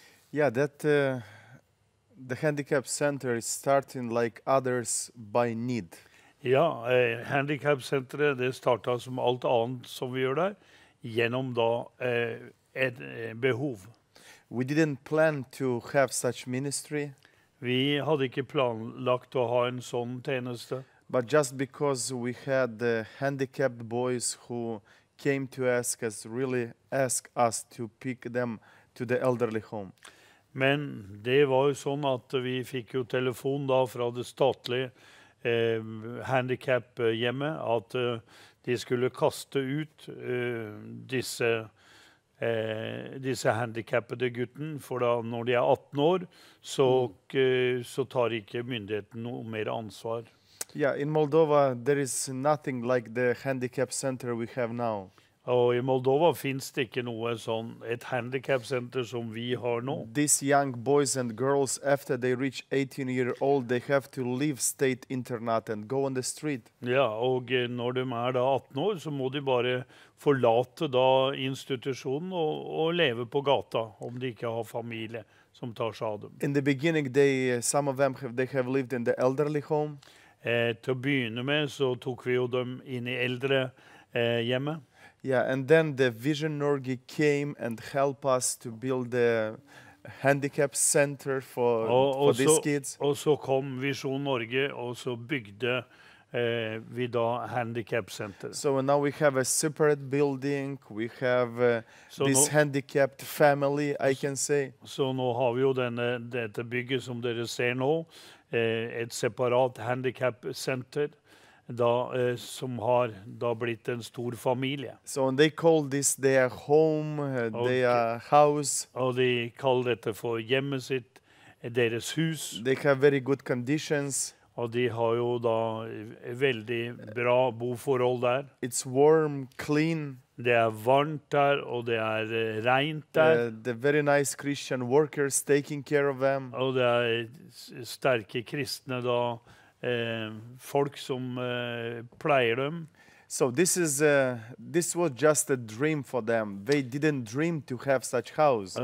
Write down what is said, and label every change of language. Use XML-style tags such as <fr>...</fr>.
<en>Yeah, that the handicap center is starting like others by need.</en> <no>Ja, handicap-senteret, det startet som alt annet som vi gjør der, gjennom da et behov.</no> <en>We didn't plan to have such ministry.</en> <no>Vi hadde ikke planlagt å ha en sånn tjeneste.</no> <en>But just because we had the handicapped boys who came to ask us, really ask us to pick them to the elderly home.</en> <no>Men det var jo sånn at vi fikk jo telefon da fra det statlige, handicap hjemme, at de skulle kaste ut disse handicappede gutten, for da når de 18 år, så tar ikke myndigheten noe mer ansvar.</no> <en>Ja, yeah, in Moldova there is nothing like the handicap center we have now.</en> <no>Og i Moldova finnes det ikke noe sånn et handicap center som vi har nå.</no> <en>These young boys and girls, after they reach 18 years old, they have to leave state internat and go on the street.</en> <no>Ja, og når de er da 18 år, så må de bare forlate da institusjonen og leve på gata, om de ikke har familie som tar seg av dem.</no> <en>In the beginning, some of them have lived in the elderly home.</en> <no>Til å begynne med så tok vi jo dem inn i eldre hjemmet.</no> <en>Yeah, and then the Vision Norge came and helped us to build the handicap center for these kids.</en> <no>Og så kom Vision Norge, og så bygde vi da handicap center.</no> <en>So now we have a separate building, we have this handicapped family, I can say.</en> <no>Så nå har vi jo dette bygget som dere ser nå, et separat handicap center. Da, som har da blitt en stor familie.</no> <en>So they call this their home, their house.</en> <no>Og de kaller dette for hjemmet sitt, deres hus.</no> <en>They have very good conditions.</en> <no>Og de har jo da veldig bra boforhold der.</no> <en>It's warm, clean.</en> <no>Det er varmt der, og det er rent der.</no> <en>The very nice Christian workers taking care of them.</en> <no>Og det er sterke kristne da, folk som pleier dem.</no> <en>So this was just a dream for them. They didn't dream to have such house.</en>